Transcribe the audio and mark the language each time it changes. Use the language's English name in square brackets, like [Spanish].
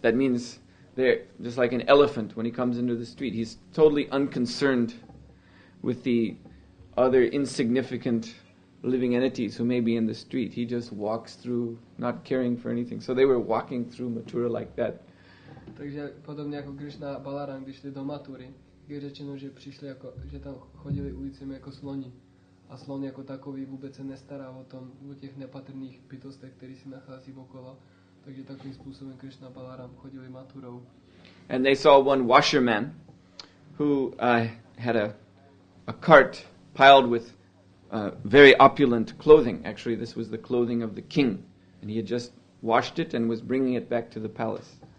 [English] That means they're just like an elephant when he comes into the street. He's totally unconcerned with the other insignificant living entities who may be in the street. He just walks through, not caring for anything. So they were walking through Mathura like that. [Czech] Takže podobně jako Krishna a Balaram, když jde do Mathury, je řečeno, že přišli jako, že tam chodili ulicemi jako sloni. A slon jako takový vůbec se nestará o tom, o těch nepatrných bytostech, které si nachází okolo. Takže takovým způsobem Krishna a Balaram chodili Mathurou. [English] And they saw one washerman who had a cart piled with very opulent clothing. Actually, this was the clothing of the king. And he had just washed it and was bringing it back to the palace.